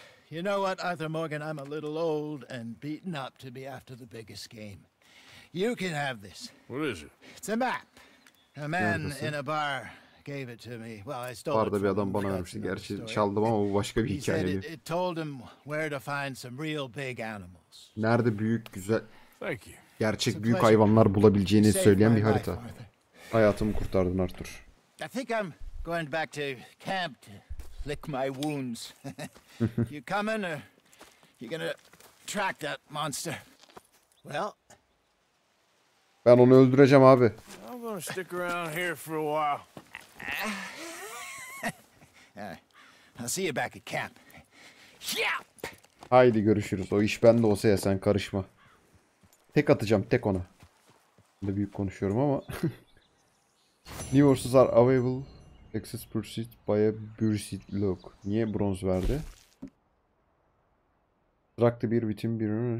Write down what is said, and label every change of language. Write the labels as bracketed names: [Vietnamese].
[English] You know what, Arthur Morgan, I'm a little old and beaten up to be after the biggest game. You can have this. What is it? It's a map. A man in a bar gave it to me. Well, I stole [Turkish] it. Barda bir adam bana vermişti. Gerçi çaldım ama bu başka bir hikaye. [English] It told him where to find some real big animals. [Turkish] Nerede büyük güzel gerçek büyük hayvanlar bulabileceğini söyleyen bir harita. Hayatımı kurtardın Arthur. [English] I think I'm going back to camp to lick my wounds. You coming or you gonna track that monster? Well, [Turkish] ben onu öldüreceğim abi. [English] I'm gonna stick around here for a while. I'll see you back at camp. [Turkish] Yep. Haydi görüşürüz. O iş bende olsa ya, sen karışma. Tek atacağım, tek ona. Ben de büyük konuşuyorum ama. [English] New horses are available. Access proceed by a bursit look. [Turkish] Niye bronz verdi? [English] Struck the beer within beer.